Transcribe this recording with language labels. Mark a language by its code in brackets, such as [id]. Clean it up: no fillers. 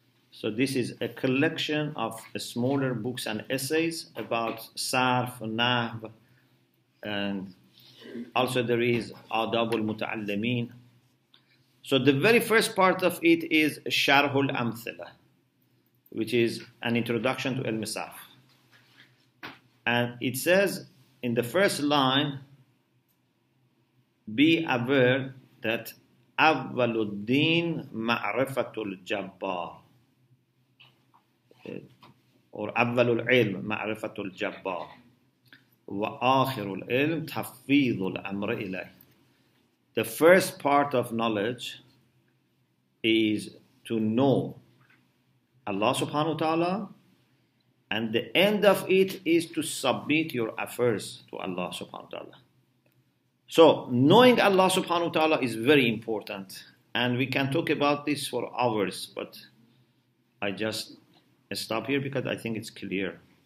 [en] So this is a collection of smaller books and essays about Sarf, Nahv, and also there is Adab al-Muta'allameen. So the very first part of it is Sharh al-Amthila, which is an introduction to Ilm Sarf. And it says in the first line, be aware that [ar] أول الدين معرفة الجبار, or أول العلم معرفة الجبار, وآخر العلم تحفيظ الأمر إليه. [en] The first part of knowledge is to know Allah subhanahu wa ta'ala, and the end of it is to submit your affairs to Allah subhanahu wa ta'ala. So knowing Allah subhanahu wa ta'ala is very important, and we can talk about this for hours, but I just stop here because I think it's clear.